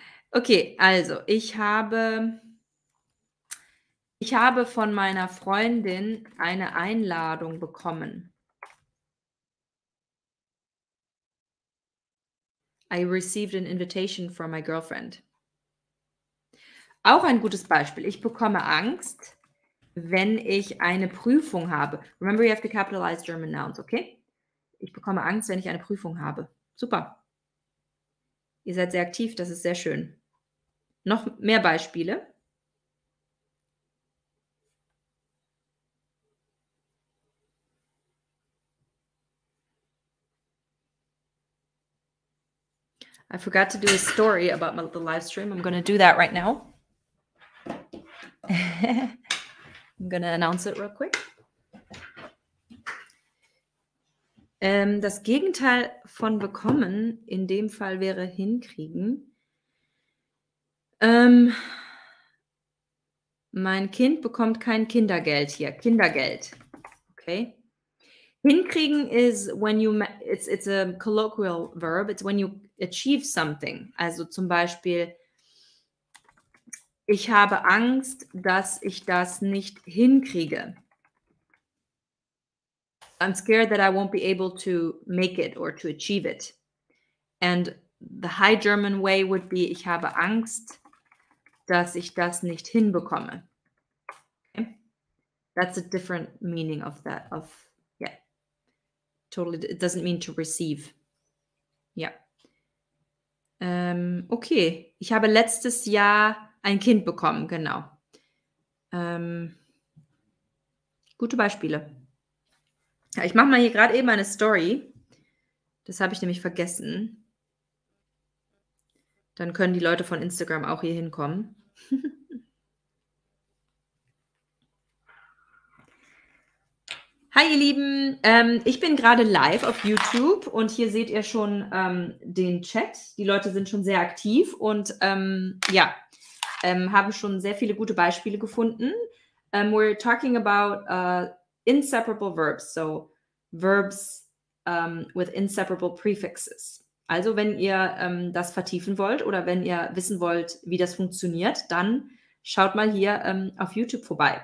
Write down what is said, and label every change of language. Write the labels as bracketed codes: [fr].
[de] Okay, also, ich habe von meiner Freundin eine Einladung bekommen. [en] I received an invitation from my girlfriend. [de] Auch ein gutes Beispiel. Ich bekomme Angst, wenn ich eine Prüfung habe. [en] Remember, you have to capitalize German nouns, okay? [de] Ich bekomme Angst, wenn ich eine Prüfung habe. Super. Ihr seid sehr aktiv, das ist sehr schön. Noch mehr Beispiele. [en] I forgot to do a story about the live stream. I'm going to do that right now. I'm going to announce it real quick. [de] Das Gegenteil von bekommen in dem Fall wäre hinkriegen. Mein Kind bekommt kein Kindergeld hier. Kindergeld. Okay. [en] Hinkriegen is when you, it's a colloquial verb. It's when you achieve something. [de] Also zum Beispiel, ich habe Angst, dass ich das nicht hinkriege. [en] I'm scared that I won't be able to make it or to achieve it. And the high German way would be, [de] ich habe Angst, dass ich das nicht hinbekomme. Okay. [en] That's a different meaning of that. Of, yeah. Totally. It doesn't mean to receive. Yeah. [de] Okay. Ich habe letztes Jahr ein Kind bekommen. Genau. Gute Beispiele. Ja, ich mache mal hier gerade eben eine Story. Das habe ich nämlich vergessen. Dann können die Leute von Instagram auch hier hinkommen. Hi ihr Lieben, ich bin gerade live auf YouTube und hier seht ihr schon den Chat. Die Leute sind schon sehr aktiv und haben schon sehr viele gute Beispiele gefunden. [en] We're talking about inseparable verbs, so verbs with inseparable prefixes. [de] Also wenn ihr das vertiefen wollt oder wenn ihr wissen wollt, wie das funktioniert, dann schaut mal hier auf YouTube vorbei.